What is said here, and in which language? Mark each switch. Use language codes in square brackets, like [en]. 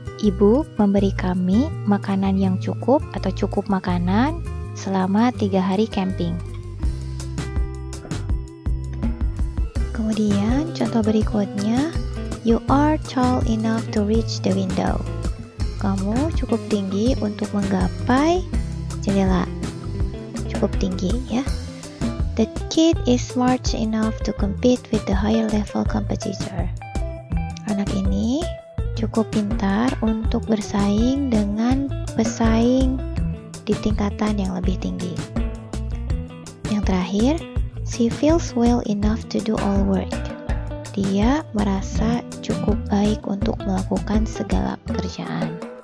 [id] Ibu memberi kami makanan yang cukup atau cukup makanan selama 3 hari camping. Kemudian contoh berikutnya, [en] you are tall enough to reach the window. [id] Kamu cukup tinggi untuk menggapai jendela. Cukup tinggi ya. [en] The kid is smart enough to compete with the higher level competitor. [id] Anak ini cukup pintar untuk bersaing dengan pesaing di tingkatan yang lebih tinggi. Yang terakhir, [en] she feels well enough to do all work. [id] Dia merasa cukup baik untuk melakukan segala pekerjaan.